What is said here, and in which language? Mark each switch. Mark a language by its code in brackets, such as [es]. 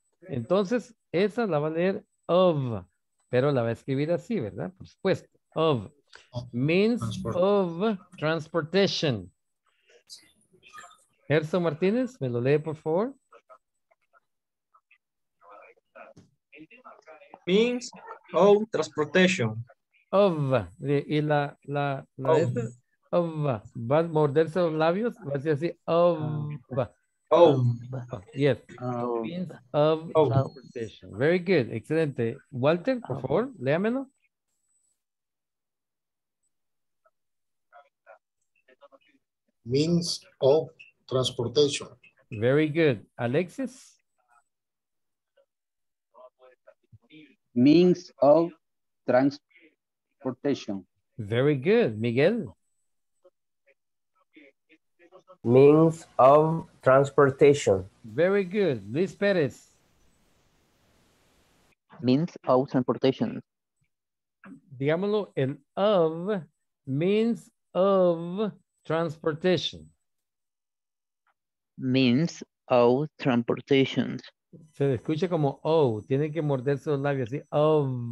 [es] Entonces, esa la va a leer of, pero la va a escribir así, ¿verdad? Por supuesto, [en] of, means of transportation. [es] Gerson Martínez, ¿me lo lee, por favor? [en] Means of transportation. [es] Of. Y la of. Esa, of. Va a morderse los labios, va a decir así, of. [en] Of. Yes. Means of transportation. Very good. [es] Excelente. Walter, por favor, léamelo. [en] Means of transportation. Very good. Alexis? Means of transportation. Very good. Miguel? Means of transportation. Very good. Luis Perez? Means of transportation. [es] Digámoslo, el of [en] means of transportation. Means of transportation. [es] Se escucha como oh, tiene que morderse los labios así, of.